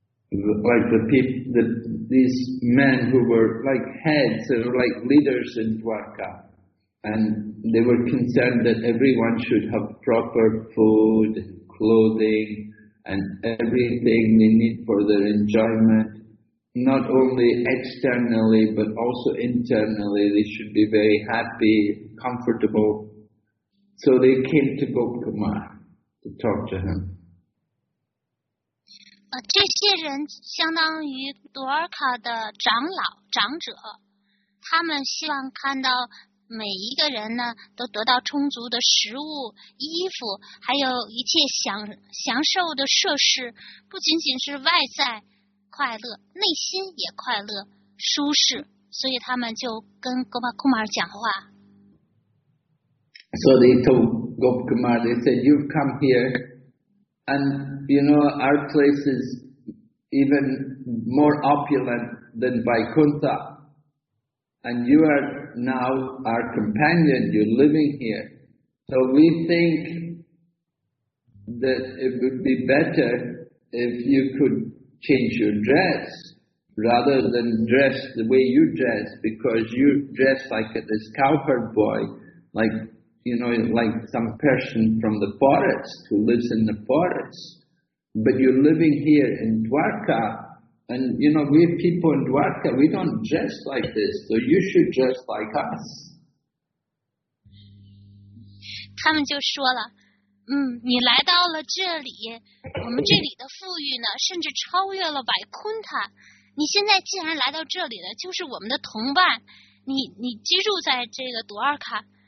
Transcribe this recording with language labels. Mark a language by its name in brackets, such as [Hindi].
[English] Like the people, these men who were like heads or like leaders in Dwarka, and they were concerned that everyone should have proper food, clothing, and everything they need for their enjoyment, not only externally but also internally. They should be very happy, comfortable. So they came to Gokumar to talk to him. [Chinese] 这些人相当于多尔卡的长老、长者，他们希望看到每一个人呢都得到充足的食物、衣服，还有一切享受的设施，不仅仅是外在快乐，内心也快乐、舒适。所以他们就跟 Gopakumar 讲话。 [English] So they told Gopakumar, they said, "You've come here." And, you know, our place is even more opulent than Vaikuntha. And you are now our companion. You're living here. So we think that it would be better if you could change your dress rather than dress the way you dress, because you dress like this cowherd boy, like... You know, like some person from the forest who lives in the forest. But you're living here in Dwarka. And, you know, we people in Dwarka, we don't dress like this. So you should dress like us. [Chinese] 他们就说了，你来到了这里，我们这里的富裕呢，甚至超越了百昆塔。你现在既然来到这里了，就是我们的同伴。你居住在这个多尔卡。